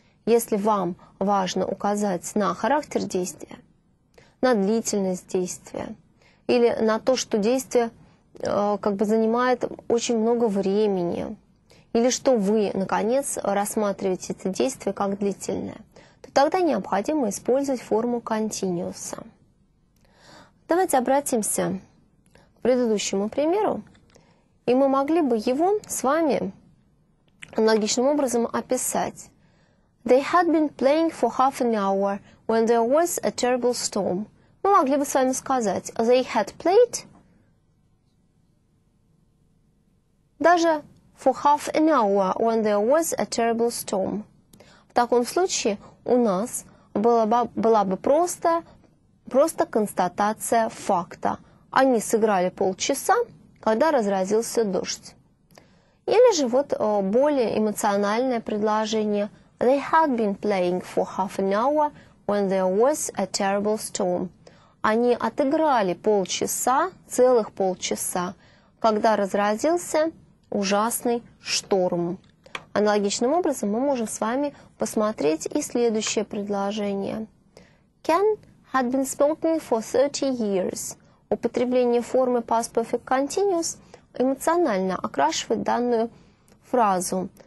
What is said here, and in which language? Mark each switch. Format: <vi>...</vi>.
<ru>Если вам важно указать на характер действия, на длительность действия или на то, что действие как бы занимает очень много времени, или что вы, наконец, рассматриваете это действие как длительное, то тогда необходимо использовать форму continuous. Давайте обратимся к предыдущему примеру, и мы могли бы его с вами аналогичным образом описать.</ru> <en>They had been playing for half an hour when there was a terrible storm.</en> <ru>Мы могли бы с вами сказать</ru> <en>they had played</en> <ru>даже</ru> <en>for half an hour when there was a terrible storm.</en> <ru>В таком случае у нас была бы просто констатация факта. Они сыграли полчаса, когда разразился дождь. Или же вот более эмоциональное предложение.</ru> <en>They had been playing for half an hour when there was a terrible storm.</en> <ru>Они отыграли полчаса, целых полчаса, когда разразился ужасный шторм. Аналогичным образом мы можем с вами посмотреть и следующее предложение.</ru> <en>Ken had been smoking for 30 years.</en> <ru>Употребление формы past perfect continuous эмоционально окрашивает данную фразу.</ru>